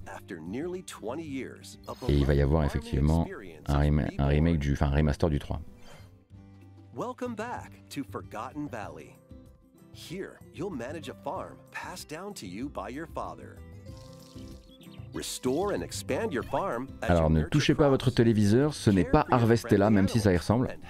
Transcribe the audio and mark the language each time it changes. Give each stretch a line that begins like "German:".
French: Et il va y avoir effectivement un remaster du 3.
English: Welcome back to Forgotten Valley. Here, you'll manage a farm passed down to you by your father. Restore and expand your farm.
French: Alors ne touchez pas à votre téléviseur, ce n'est pas Harvestella, même si ça y ressemble.